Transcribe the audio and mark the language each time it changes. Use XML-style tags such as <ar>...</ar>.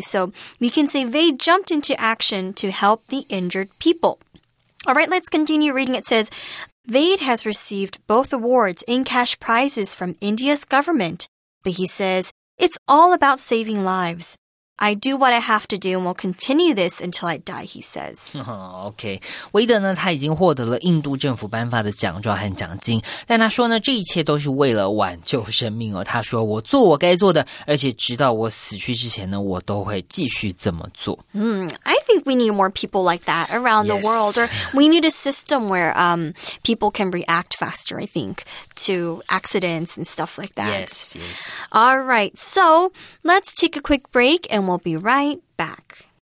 <en>So we can say they jumped into action to help the injured people. All right, let's continue reading. It says, Wade has received both awards and cash prizes from India's government. But he says, it's all about saving lives. I do what I have to do and will continue this until I die, he says.</en> <zh>OK, 韦德呢他已经获得了印度政府颁发的奖状和奖金，但他说呢这一切都是为了挽救生命哦。他说我做我该做的，而且直到我死去之前呢我都会继续这么做。</zh> <en>I think we need more people like that around the world. Or we need a system where people can react faster, I think, to accidents and stuff like that. Yes, yes. All right, so let's take a quick break. And we'll be right back.</en>